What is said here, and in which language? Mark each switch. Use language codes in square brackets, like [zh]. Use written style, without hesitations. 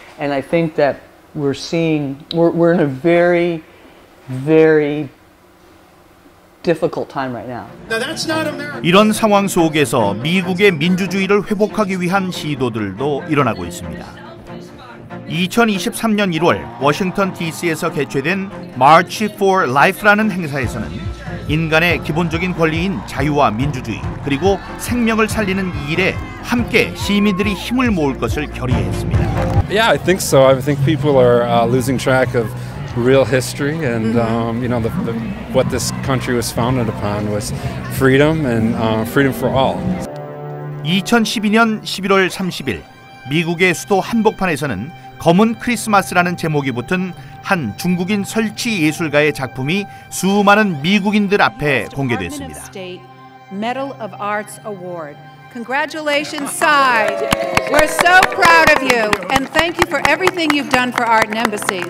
[en] And I think that we're in a very, very difficult time right now. Now that's not America. [ko] 이런 상황 속에서 미국의 민주주의를 회복하기 위한 시도들도 일어나고 있습니다. 2023년 1월 워싱턴 DC에서 개최된 March for Life라는 행사에서는 인간의 기본적인 권리인 자유와 민주주의 그리고 생명을 살리는 일에 함께 시민들이 힘을 모을 것을 결의했습니다. [en] Yeah, I think so. I think people are losing track of real history and you know the what this country was founded upon was freedom and freedom for all. [ko] 2012년 11월 30일 미국의 수도 한복판에서는 검은 크리스마스라는 제목이 붙은 한 중국인 설치 예술가의 작품이 수많은 미국인들 앞에 공개됐습니다. [en] Medal of Arts Award. Congratulations, Sai. We're so proud of you and thank you for everything you've done for art and embassies.